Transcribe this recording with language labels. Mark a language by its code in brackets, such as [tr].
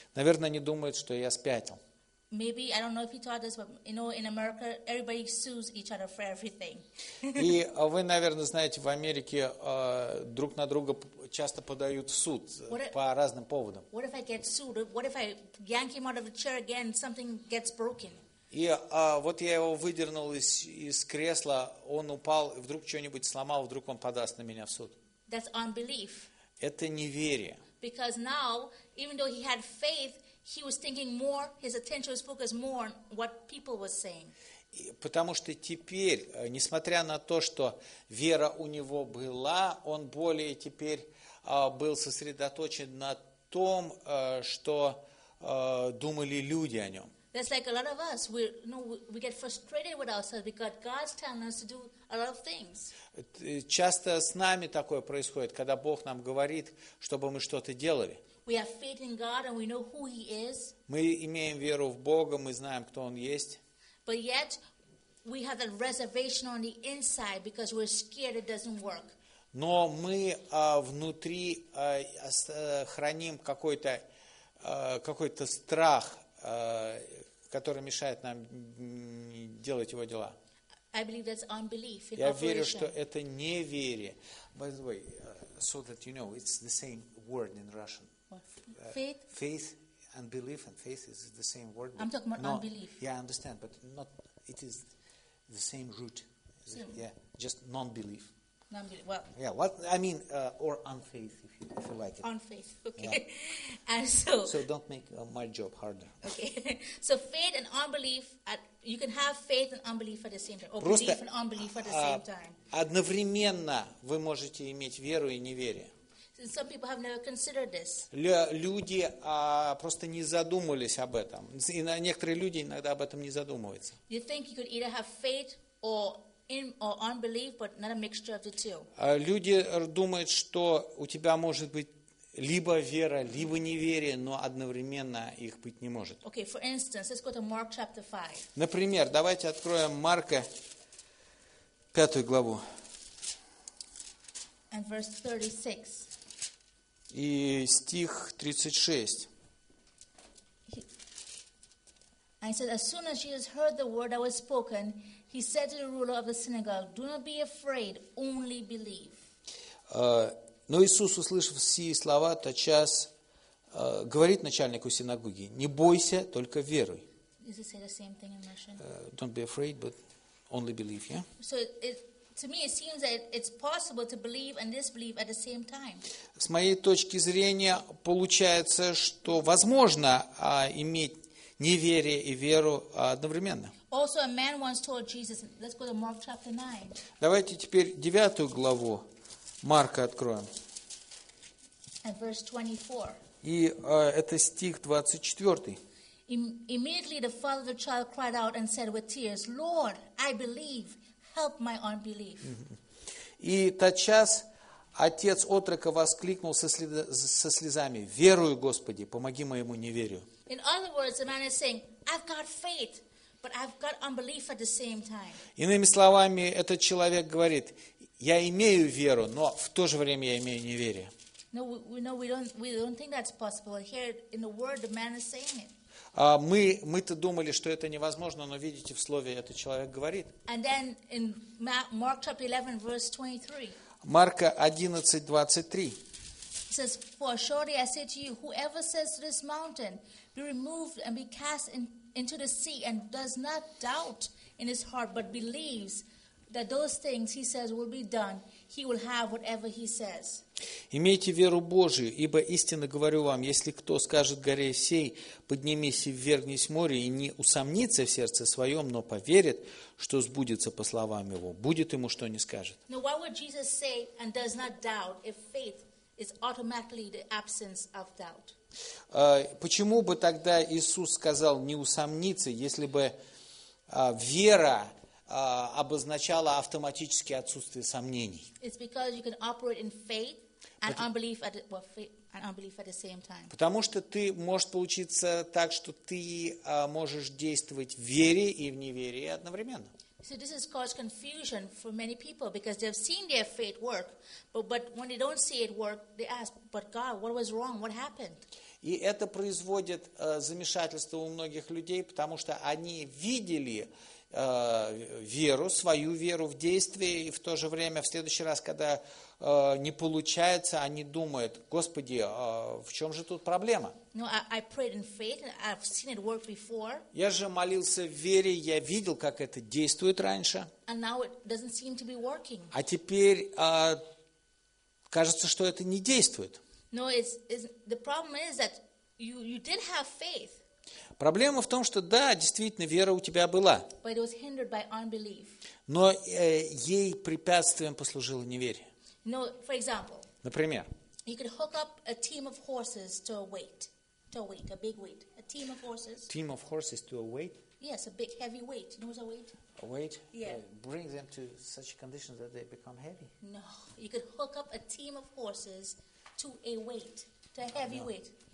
[ru] Наверное, они думают, что я спятил. [en] Maybe I don't know if you taught this, but you know, in America, everybody sues each other for everything. [ru] И вы, наверное, знаете, в Америке друг на друга часто подают в суд по разным поводам. [en] What if I get sued? What if I yank him out of the chair again? Something gets broken. [ru] И вот я его выдернул из кресла, он упал, вдруг что-нибудь сломал, вдруг он подаст на меня в суд. [en] That's unbelief. [ru] Это неверие. [en] Because now, even though he had faith, he was thinking more, his attention was focused more on what people were saying. [ru] Потому что теперь, несмотря на то, что вера у него была, он более теперь был сосредоточен на том, что думали люди о нем. [en] That's like a lot of us. We, you know, we get frustrated with ourselves because God's telling us to do a lot of things. [ru] Часто с нами такое происходит, когда Бог нам говорит, чтобы мы что-то делали. [en] We have faith in God and we know who He is. [ru] Мы имеем веру в Бога, мы знаем, кто Он есть. [en] But yet, we have a reservation on the inside because we're scared it doesn't work. [ru] Но мы внутри храним какой-то страх, который мешает нам делать его дела. [en] I believe that's unbelief. [ru] Я верю, что это неверие. [en] By the way, so that you know, it's the same word in Russian. Faith. Faith. And belief and faith is the same word. I'm talking about non-belief. Yeah, I understand, but not. It is the same root. Same. Yeah, just non-belief. Non-belief. Well. Yeah. What I mean, or unfaith, if you like it. Unfaith. Okay. Yeah. And so. So don't make my job harder. Okay. So faith and unbelief. You can have faith and unbelief at the same time, or [ru] просто, [en] belief and unbelief at the same time. [ru] Одновременно вы можете иметь веру и неверие. [en] Some people have never considered this. [ru] Люди просто не задумывались об этом. И некоторые люди иногда об этом не задумываются. [en] You think you could either have faith or unbelief, but not a mixture of the two. [ru] Люди думают, что у тебя может быть либо вера, либо неверие, но одновременно их быть не может. [en] Okay, for instance, let's go to Mark chapter 5. [ru] Например, давайте откроем Марка 5 главу. [en] And verse 36. [ru] И стих 36. [en] I said, as soon as Jesus heard the word that was spoken, he said to the ruler of the synagogue, do not be afraid, only believe. [ru] Но Иисус, услышав сии слова, тотчас говорит начальнику синагоги, не бойся, только веруй. [en] Does it say the same thing in Russian? Don't be afraid, but only believe, yeah? To me, it seems that it's possible to believe and disbelieve at the same time. [ru] С моей точки зрения, получается, что возможно иметь неверие и веру одновременно. [en] Also, a man once told Jesus, let's go to Mark chapter 9. [ru] Давайте теперь 9 главу Марка откроем. [en] And verse [ru] 24. И это стих 24. [en] Immediately the father of the child cried out and said with tears, Lord, I believe. Help my unbelief. [ru] И тотчас отец отрока воскликнул со слезами: «Верую, Господи, помоги моему неверию». [en] In other words, the man is saying, "I've got faith, but I've got unbelief at the same time." [ru] Иными словами, этот человек говорит: «Я имею веру, но в то же время я имею неверие». [en] No, we don't think that's possible. Here in the word, the man is saying it. [ru] Мы-то думали, что это невозможно, но видите, в слове этот человек говорит. [en] And then in Mark chapter 11, verse 23. [ru] Марка 11:23. [en] It says, "For surely I say to you, whoever says to this mountain, be removed and be cast into the sea, and does not doubt in his heart, but believes that those things he says will be done, he will have whatever he says." [ru] Имейте веру Божию, ибо истинно говорю вам, если кто скажет горе сей, поднимись и ввергнись в море, и не усомнится в сердце своем, но поверит, что сбудется по словам его, будет ему, что не скажет. [en] Now, what would Jesus say and does not doubt if faith is automatically the absence of doubt? [ru] Почему бы тогда Иисус сказал не усомниться, если бы вера обозначала автоматически отсутствие сомнений? [en] It's because you can operate in faith. And unbelief at the same time. [ru] Потому что ты можешь получиться так, что ты можешь действовать в вере и в неверии одновременно. [en] So this has caused confusion for many people because they've seen their faith work, but when they don't see it work, they ask, "But God, what was wrong? What happened?" [ru] И это производит замешательство у многих людей, потому что они видели веру, свою веру в действии, и в то же время в следующий раз, когда не получается, они думают, Господи, в чем же тут проблема? [en] No, I prayed in faith, and I've seen it work before. [ru] Я же молился в вере, я видел, как это действует раньше. [en] And now it doesn't seem to be working. [ru] А теперь кажется, что это не действует. [en] No, the problem is that you didn't have faith. [ru] Проблема в том, что да, действительно, вера у тебя была. [en] But it was hindered by unbelief. [ru] Но ей препятствием послужило неверие. [en] No, for example, [ru] например, [en] you could hook up a team of horses to a weight. To a weight, a big weight. A team of horses. Team of horses to a weight? Yes, a big heavy weight. You know what's a weight? A weight? Yeah. Bring them to such conditions that they become heavy. No, you could hook up a team of horses to a weight, to a heavy weight.